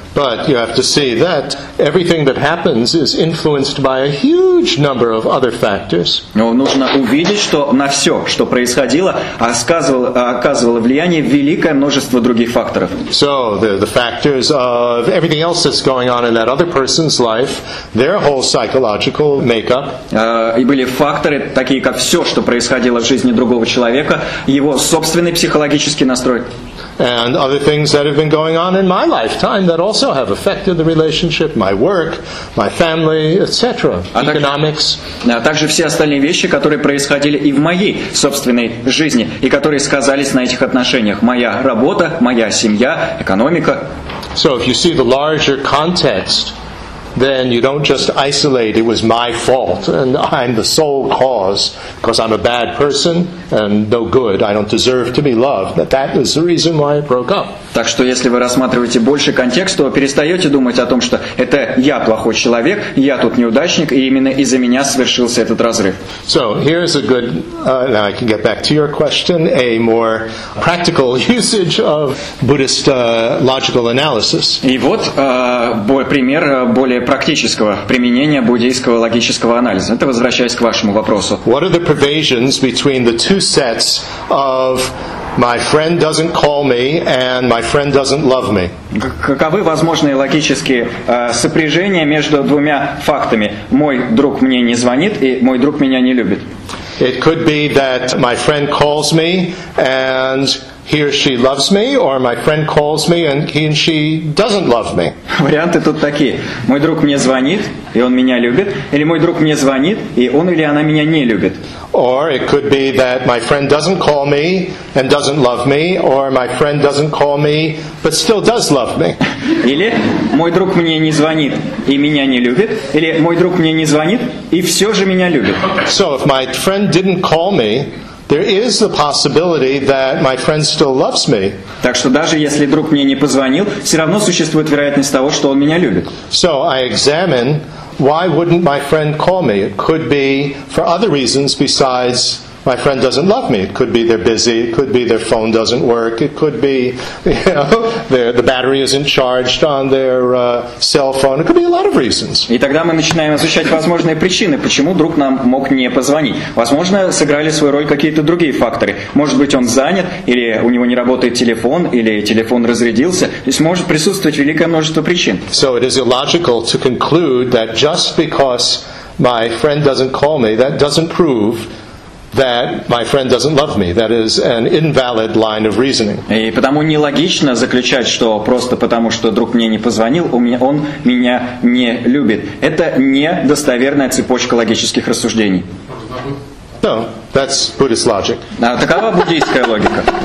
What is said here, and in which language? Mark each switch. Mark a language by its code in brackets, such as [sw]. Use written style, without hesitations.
[en] But you have to see that everything that happens is influenced by a huge number of other factors. [ru] Но нужно увидеть, что на все, что происходило, оказывало влияние великое множество других факторов. [en] So the factors of everything else that's going on in that other person's life, their whole psychological makeup. [ru] И были факторы, такие как все, что происходило в жизни другого человека, его собственный психологический настрой. [en] And other things that have been going on in my lifetime that also have affected the relationship, my work, my family, etc. Economics. [ru] Также все остальные вещи, которые происходили и в моей собственной жизни, и которые сказались на этих отношениях. Моя работа, моя семья, экономика. [en] So if you see the larger context, then you don't just isolate it was my fault and I'm the sole cause because I'm a bad person and no good, I don't deserve to be loved, that is the reason why I broke up. [ru] Так что если вы рассматриваете больше контекст, то перестаете думать о том, что это я плохой человек, я тут неудачник, и именно из-за меня совершился этот разрыв. [en] So, here's a good, now I can get back to your question, a more practical usage of Buddhist logical analysis. [ru] И вот пример более практического применения буддийского логического анализа. Это возвращаясь к вашему вопросу. [en] What are the provisions between the two sets of my friend doesn't call me and my friend doesn't love me? [ru] Каковы возможные логические сопряжения между двумя фактами? Мой друг мне не звонит и мой друг меня не любит. [en] It could be that my friend calls me and he or she loves me, or my friend calls me and he and she doesn't love me. [ru] Варианты тут такие. Мой друг мне звонит, и он меня любит. Или мой друг мне звонит, и он или она меня не любит. [en] Or it could be that my friend doesn't call me and doesn't love me, or my friend doesn't call me but still does love me. [ru] Или мой друг мне не звонит и меня не любит, или мой друг мне не звонит и все же меня любит. [en] So if my friend didn't call me, there is the possibility that my friend still loves me. [ru] Так что даже если друг мне не позвонил, все равно существует вероятность того, что он меня любит. [en] So I examine, why wouldn't my friend call me? It could be for other reasons besides my friend doesn't love me. It could be they're busy. It could be their phone doesn't work. It could be, you know, the battery isn't charged on their cell phone. It could be a lot of reasons. [ru] И тогда мы начинаем изучать возможные причины, почему друг нам мог не позвонить. Возможно, сыграли свою роль какие-то другие факторы. Может быть, он занят, или у него не работает телефон, или телефон разрядился. То есть может присутствовать великое множество причин. [en] So it is illogical to conclude that just because my friend doesn't call me, that doesn't prove that my friend doesn't love me. That is an invalid line of reasoning. [ru] И потому нелогично заключать, что просто потому, что друг мне не позвонил, он меня не любит. Это недостоверная цепочка логических рассуждений. [en] No, that's Buddhist logic. [ru] А такова буддийская логика.